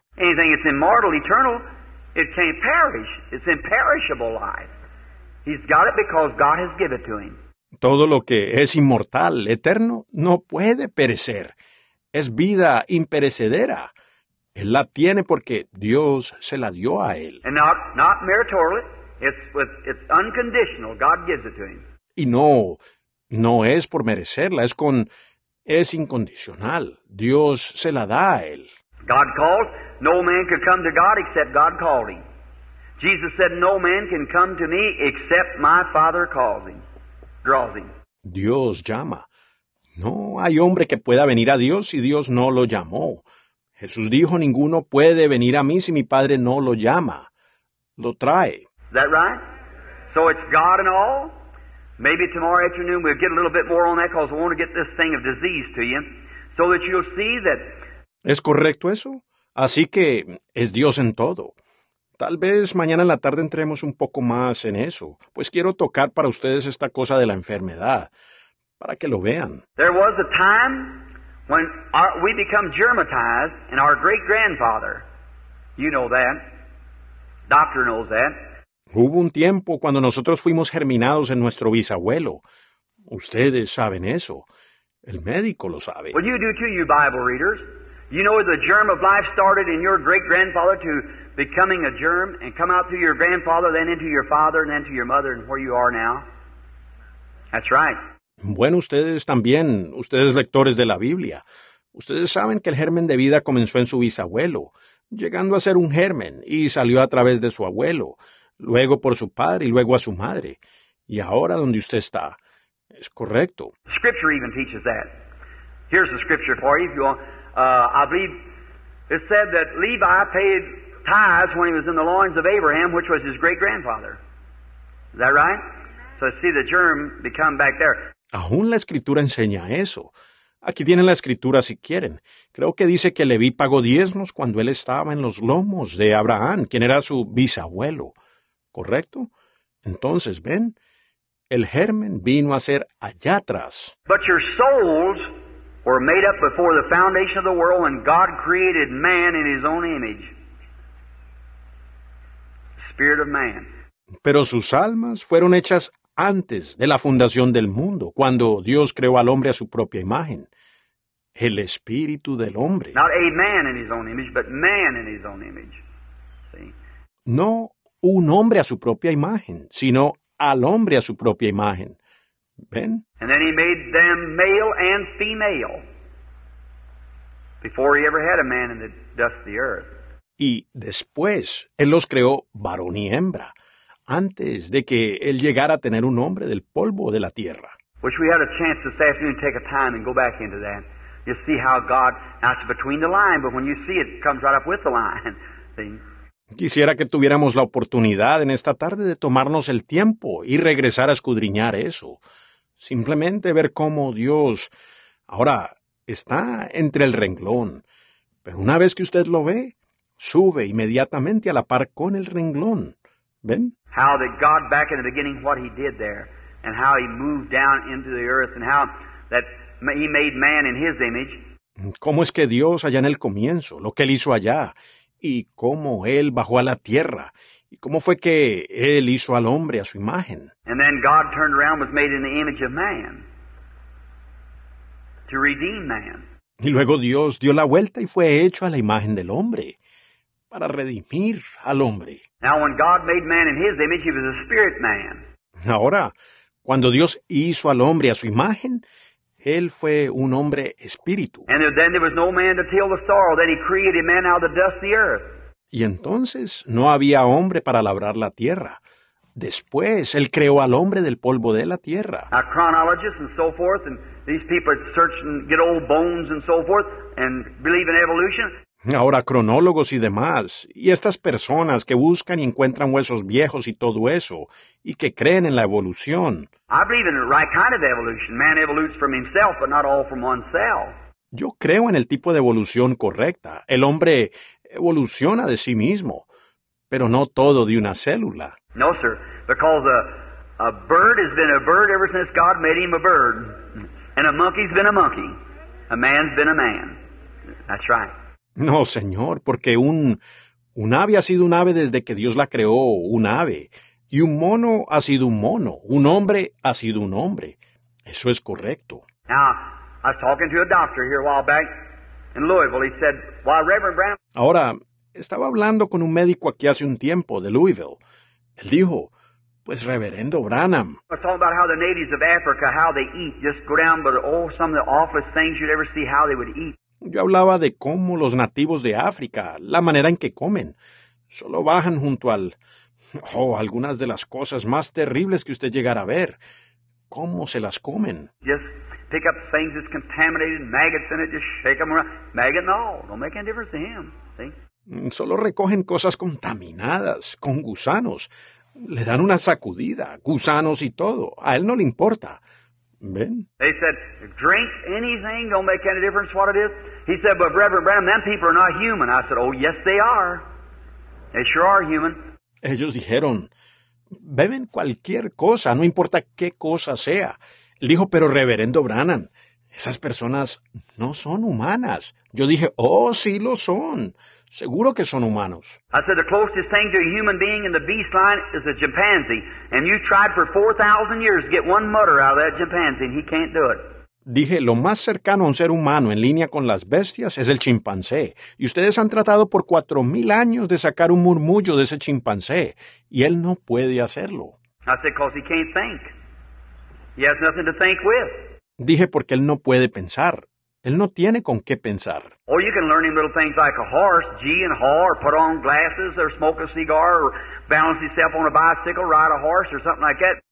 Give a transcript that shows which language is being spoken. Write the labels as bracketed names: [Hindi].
[English] Anything that's immortal, eternal, it can't perish. It's imperishable life. He's got it because God has given it to him. [Spanish] Todo lo que es inmortal, eterno, no puede perecer. Es vida imperecedera. Él la tiene porque Dios se la dio a él. [English] And not meritorily. It's unconditional. God gives it to him. [Spanish] Y no, no es por merecerla. Es incondicional. Dios se la da a él. [English] God called. No man could come to God except God called him. Jesus said, no man can come to me except my Father calls him, draws him. [Spanish] Dios llama. No hay hombre que pueda venir a Dios si Dios no lo llamó. Jesús dijo, ninguno puede venir a mí si mi Padre no lo llama, lo trae. [English] Is that right? So it's God and all? Maybe tomorrow afternoon we'll get a little bit more on that because I want to get this thing of disease to you so that you'll see that... [Spanish] ¿Es correcto eso? Así que es Dios en todo. Tal vez mañana en la tarde entremos un poco más en eso, pues quiero tocar para ustedes esta cosa de la enfermedad, para que lo vean. [English] There was a time when we become germatized and our great-grandfather, you know that, doctor knows that. [Spanish] Hubo un tiempo cuando nosotros fuimos germinados en nuestro bisabuelo. Ustedes saben eso. El médico lo sabe. [English] Well, you do too, you Bible readers. You know the germ of life started in your great-grandfather to becoming a germ and come out through your grandfather, then into your father, and then to your mother, and where you are now. That's right. [Spanish] Bueno, ustedes también, ustedes lectores de la Biblia, ustedes saben que el germen de vida comenzó en su bisabuelo, llegando a ser un germen, y salió a través de su abuelo, luego por su padre y luego a su madre. Y ahora donde usted está, es correcto. [English] Scripture even teaches that. Here's the scripture for you. If you want, I believe it said that Levi paid tithes when he was in the loins of Abraham, which was his great-grandfather. Is that right? So see the germ become back there. [Spanish] Aún la Escritura enseña eso. Aquí tienen la Escritura si quieren. Creo que dice que Leví pagó diezmos cuando él estaba en los lomos de Abraham, quien era su bisabuelo. ¿Correcto? Entonces, ven, el germen vino a ser allá atrás. [English] But your souls were made up before the foundation of the world when God created man in his own image. Spirit of man. [Spanish] Pero sus almas fueron hechas antes de la fundación del mundo, cuando Dios creó al hombre a su propia imagen, el espíritu del hombre. [English] Not a man in his own image, but man in his own image. See? [Spanish] No un hombre a su propia imagen, sino al hombre a su propia imagen. ¿Ven? [English] And then he made them male and female before he ever had a man in the dust of the earth. [Spanish] Y después él los creó varón y hembra, antes de que él llegara a tener un hombre del polvo de la tierra. [English] Which we had a chance this afternoon to take a time and go back into that. You see how God, that's between the line, but when you see it, it comes right up with the line. See? [Spanish] Quisiera que tuviéramos la oportunidad en esta tarde de tomarnos el tiempo y regresar a escudriñar eso. Simplemente ver cómo Dios ahora está entre el renglón. Pero una vez que usted lo ve, sube inmediatamente a la par con el renglón. ¿Ven? [English] How did God back in the beginning what he did there and how he moved down into the earth and how that he made man in his image. [Spanish] ¿Cómo es que Dios allá en el comienzo, lo que él hizo allá y cómo él bajó a la tierra y cómo fue que él hizo al hombre a su imagen? [English] And then God turned around was made in the image of man to redeem man. [Spanish] Y luego Dios dio la vuelta y fue hecho a la imagen del hombre para redimir al hombre. [English] Now when God made man in his image, he was a spirit man. [Spanish] Ahora, cuando Dios hizo al hombre a su imagen, él fue un hombre espíritu. [English] And then there was no man to till the soil, then he created man out of the dust of the earth. [Spanish] Y entonces no había hombre para labrar la tierra. Después él creó al hombre del polvo de la tierra. [English] Now, chronologists and so forth and these people search and get old bones and so forth and believe in evolution. [Spanish] Ahora, cronólogos y demás, y estas personas que buscan y encuentran huesos viejos y todo eso, y que creen en la evolución. [English] I believe in the right kind of evolution. Man evolutes from himself, but not all from one cell. [Spanish] Yo creo en el tipo de evolución correcta. El hombre evoluciona de sí mismo, pero no todo de una célula. [English] No, sir, because a bird has been a bird ever since God made him a bird. And a monkey's been a monkey. A man's been a man. That's right. [Spanish] No, señor, porque un ave ha sido un ave desde que Dios la creó, un ave. Y un mono ha sido un mono. Un hombre ha sido un hombre. Eso es correcto. [English] Now, I was talking to a doctor here a while back in Louisville. He said, while Reverend Brown... [Spanish] Ahora, estaba hablando con un médico aquí hace un tiempo de Louisville. Él dijo, pues Reverendo Branham. [English] I was talking about how the natives of Africa, how they eat. Just go down, but oh, some of the awfulest things you'd ever see, how they would eat. [Spanish] Yo hablaba de cómo los nativos de África, la manera en que comen, solo bajan junto al... Oh, algunas de las cosas más terribles que usted llegara a ver. ¿Cómo se las comen? [English] Just pick up things that's contaminated, maggots in it, just shake them around. Maggot and all, don't make any difference to him, see? [Spanish] Solo recogen cosas contaminadas, con gusanos. Le dan una sacudida, gusanos y todo. A él no le importa. Ben. [English] They said, drink anything, don't make any difference what it is. He said, but Reverend Branham, them people are not human. I said, oh, yes, they are. They sure are human. [Spanish] Ellos dijeron, beben cualquier cosa, no importa qué cosa sea. Él dijo, pero reverendo Branham, esas personas no son humanas. Yo dije, oh, sí lo son. Seguro que son humanos. [English] I said, the closest thing to a human being in the beast line is a chimpanzee. And you tried for 4,000 years to get one mutter out of that chimpanzee, and he can't do it. [Spanish] Dije, lo más cercano a un ser humano en línea con las bestias es el chimpancé. Y ustedes han tratado por 4,000 años de sacar un murmullo de ese chimpancé. Y él no puede hacerlo. [English] I said, because he can't think. He has nothing to think with. [Spanish] Dije, porque él no puede pensar. Él no tiene con qué pensar. [English] Or you can learn him little things like a horse, gee and haw, or put on glasses, or smoke a cigar, or balance himself on a bicycle, ride a horse, or something like that.